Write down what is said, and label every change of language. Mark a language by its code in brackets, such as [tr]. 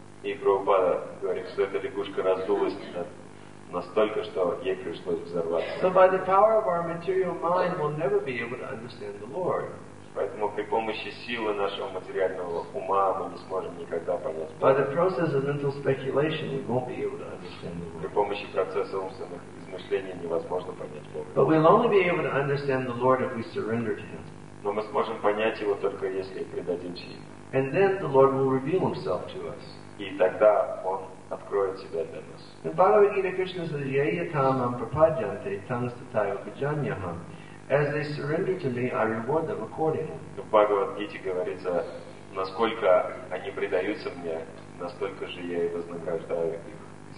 [ru] И Прабхупада говорит, что эта лягушка раздулась настолько, что ей пришлось взорваться. [en] So by the power of our material mind, we'll never be able to understand the Lord. [ru] Поэтому при помощи силы нашего материального ума мы не сможем никогда понять. [en] By the process of mental speculation, we won't be able to understand the Lord. [ru] При помощи процесса умственных измышлений невозможно понять Бога. [en] But we'll only be able to understand the Lord if we surrender to Him. [ru] Но мы сможем понять Его только если предадимся Ему. [en] And then the Lord will reveal Himself to us. [ru] И тогда Он откроет Себя для нас. [en] And by the way, Gita Krishna says, [sa] "Yayatamam prapajante tanstatayo vijanyaham." [en] As they surrender to me, I reward them accordingly. [ru] В Бхагавад-гите говорится, насколько они предаются мне, настолько же я и вознаграждаю их.